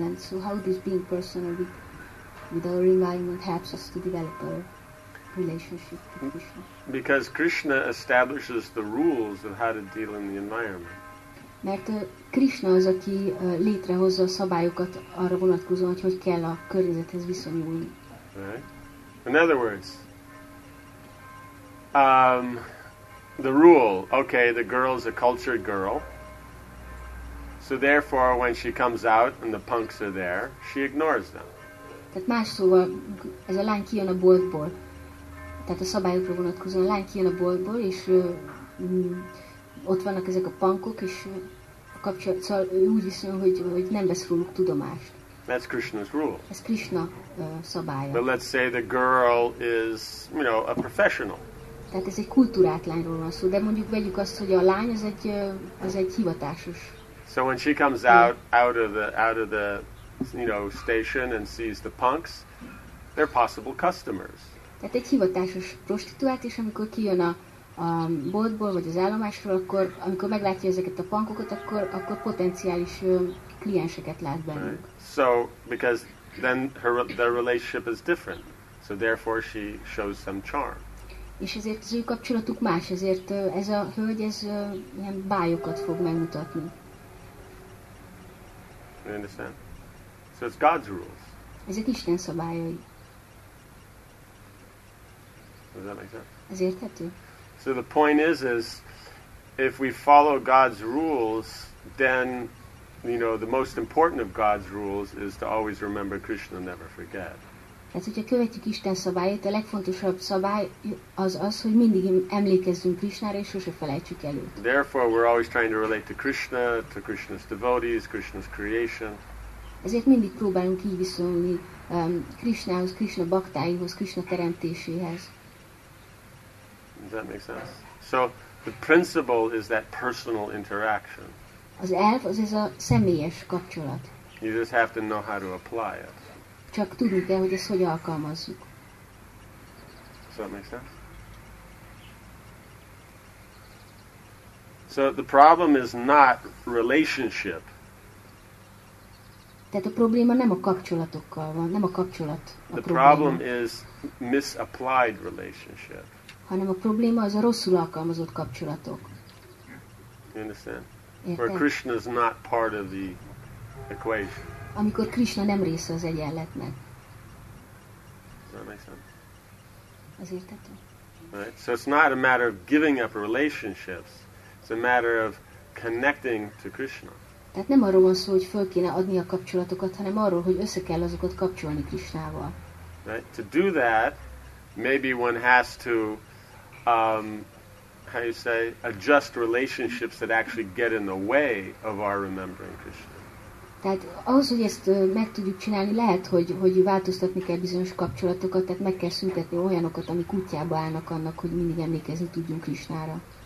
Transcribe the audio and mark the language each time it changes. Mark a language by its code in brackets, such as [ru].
[en] And so how does being personal with our environment helps us to develop our relationship with Krishna? Because Krishna establishes the rules of how to deal in the environment. [hu] Mert Krishna az, aki létrehozza a szabályokat arra vonatkozóan, hogy kell a környezethez viszonyulni. [en] Right. In other words, the rule, okay, the girl is a cultured girl, so therefore when she comes out and the punks are there, she ignores them. [hu] Tehát más szóval, ez a lány kijön a boltból, tehát a szabályokra vonatkozóan, a lány kijön a boltból, és ott vannak ezek a punkok, és kapcsolatban úgy viszont, hogy nem vesz róluk tudomást. [en] That's Krishna's rule. [hu] Ez Krishna szabálya. [en] But let's say the girl is, you know, a professional. [hu] Tehát ez egy kultúrát lányról van szó, de mondjuk vegyük azt, hogy a lány az egy hivatásos. [en] So when she comes out of the you know, station and sees the punks, they're possible customers. [hu] Tehát egy hivatásos prostituált, és amikor kijön a boltból vagy az állomásról, akkor amikor meglátja ezeket a punkokat, akkor potenciális klienseket lát bennük. [en] Right. So because then their relationship is different. So therefore she shows some charm. [hu] És ezért az ő kapcsolatuk más, ezért ez a hölgy ez ilyen bájokat fog megmutatni. [en] You understand? So it's God's rules. [hu] Ezek Isten szabályai. [en] Does that make sense? [hu] Ez érthető? [en] So the point is if we follow God's rules, then you know the most important of God's rules is to always remember Krishna, never forget. [hu] Tehát, hogyha követjük Isten szabályait, a legfontosabb szabály az, hogy mindig emlékezzünk Krishnára, és sose felejtsük el őt. [en] Therefore, we're always trying to relate to Krishna's devotees, Krishna's creation. [hu] Ezért mindig próbálunk így viszonyulni Krishnához, Krishna baktáihoz, Krishna teremtéséhez. [en] Does that make sense? So, the principle is that personal interaction. [hu] Az elv, az ez a személyes kapcsolat. [en] You just have to know how to apply it. [hu] Csak tudni kell, hogy ezt hogyan alkalmazzuk. [en] So that makes sense? So the problem is not relationship. [hu] Tehát a probléma nem a kapcsolatokkal van, nem a kapcsolat. [en] The problem is misapplied relationship. [hu] Hanem a probléma az a rosszul alkalmazott kapcsolatok. [en] You understand? Where Krishna is not part of the equation. [hu] Amikor Krishna nem része az egyenletnek. Az értető? [en] Right. So it's not a matter of giving up relationships. It's a matter of connecting to Krishna. [hu] Tehát nem arról van szó, hogy föl kéne adni a kapcsolatokat, hanem arról, hogy össze kell azokat kapcsolni Krishnával. [en] Right. To do that, maybe one has to, how you say, adjust relationships that actually get in the way of our remembering Krishna. [hu] Tehát ahhoz, hogy ezt meg tudjuk csinálni, lehet, hogy változtatni kell bizonyos kapcsolatokat, tehát meg kell szüntetni olyanokat, amik útjába állnak annak, hogy mindig emlékezni tudjunk Krisnára.